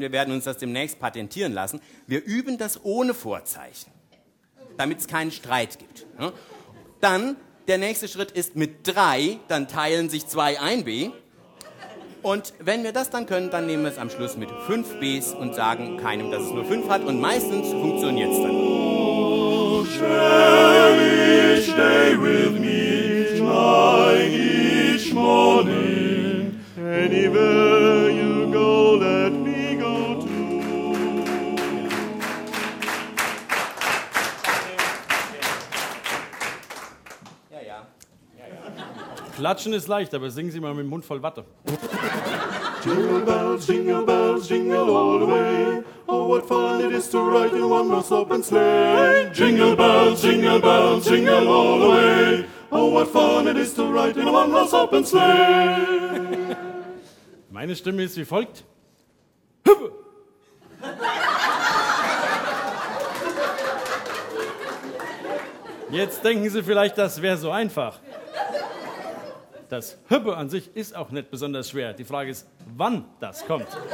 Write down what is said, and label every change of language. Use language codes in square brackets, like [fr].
[de] Wir werden uns das demnächst patentieren lassen. Wir üben das ohne Vorzeichen, damit es keinen Streit gibt. Dann der nächste Schritt ist mit 3, dann teilen sich 2 ein B. Und wenn wir das dann können, dann nehmen wir es am Schluss mit 5 Bs und sagen keinem, dass es nur 5 hat. Und meistens funktioniert es dann. [en] Oh, shall each day with me shine each morning? Anywhere you go, let me go too. [de] Klatschen ist leicht, aber singen Sie mal mit dem Mund voll Watte. [en] Jingle bells, jingle bells, jingle all the way. Oh, what fun it is to ride in one horse open sleigh. Jingle bells, jingle bells, jingle all the way. Oh, what fun it is to ride in one horse open sleigh. [de] Meine Stimme ist wie folgt. Jetzt denken Sie vielleicht, das wäre so einfach. Das Hüppe an sich ist auch nicht besonders schwer. Die Frage ist, wann das kommt.